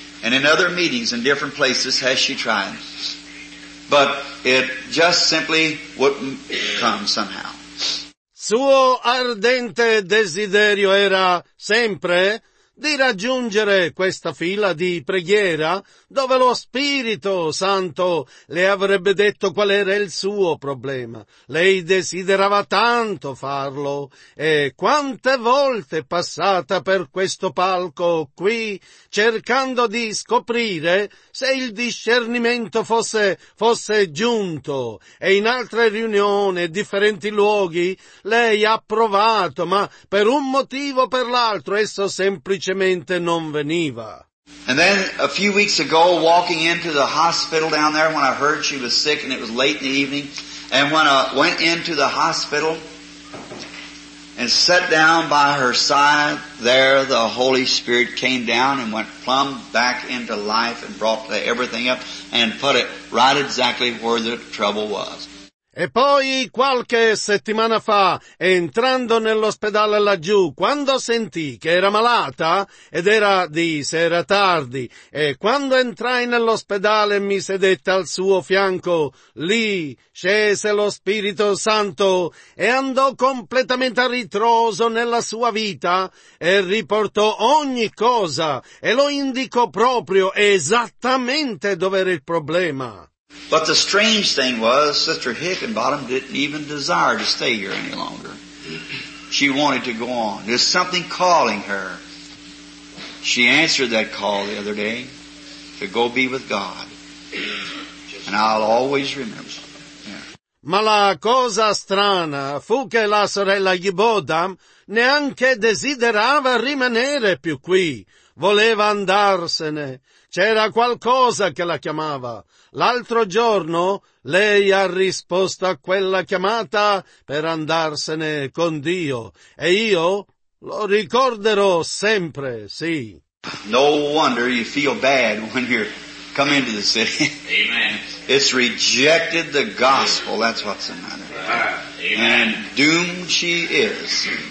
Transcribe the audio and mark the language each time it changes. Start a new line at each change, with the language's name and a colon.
English: And in other meetings in different places has she tried? But it just simply wouldn't come somehow.
Italian: Suo ardente desiderio era sempre di raggiungere questa fila di preghiera dove lo Spirito Santo le avrebbe detto qual era il suo problema. Lei desiderava tanto farlo e quante volte è passata per questo palco qui cercando di scoprire se il discernimento fosse giunto, e in altre riunioni, differenti luoghi, lei ha provato, ma per un motivo o per l'altro esso semplicemente non veniva.
English: And then a few weeks ago, walking into the hospital down there, when I heard she was sick and it was late in the evening, and when I went into the hospital and sat down by her side, there the Holy Spirit came down and went plumb back into life and brought everything up and put it right exactly where the trouble was.
Italian: E poi qualche settimana fa, entrando nell'ospedale laggiù, quando sentì che era malata, ed era di sera tardi, e quando entrai nell'ospedale e mi sedette al suo fianco, lì scese lo Spirito Santo e andò completamente a ritroso nella sua vita e riportò ogni cosa e lo indicò proprio esattamente dove era il problema.
English: But the strange thing was, Sister Hickenbottom didn't even desire to stay here any longer. She wanted to go on. There's something calling her. She answered that call the other day to go be with God. And I'll always remember.
Italian: Ma la cosa strana fu che la sorella Gibbodam neanche desiderava rimanere più qui. Voleva andarsene. C'era qualcosa che la chiamava. L'altro giorno lei ha risposto a quella chiamata per andarsene con Dio. E io lo ricorderò sempre, sì.
English: No wonder you feel bad when you come into the city. Amen. It's rejected the gospel, that's what's the matter. And doomed she is.